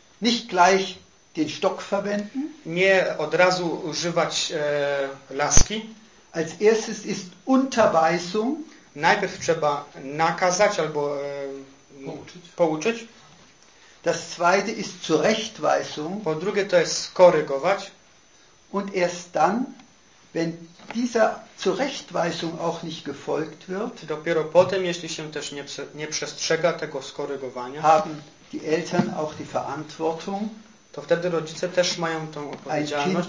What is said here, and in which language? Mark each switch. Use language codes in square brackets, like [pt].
[de] Nicht gleich den Stock verwenden. [pl] Nie od razu używać laski. [de] Als erstes ist Unterweisung. [pl] Najpierw trzeba nakazać albo... Pouczyć. [de] Das zweite ist Zurechtweisung. [pl] Po drugie to jest korygować. [de] Und erst dann, wenn dieser Zurechtweisung auch nicht gefolgt wird, [pl] dopiero potem, jeśli się też nie przestrzega tego skorygowania, [de] haben die Eltern auch die Verantwortung, [pl] to wtedy rodzice też mają tą odpowiedzialność,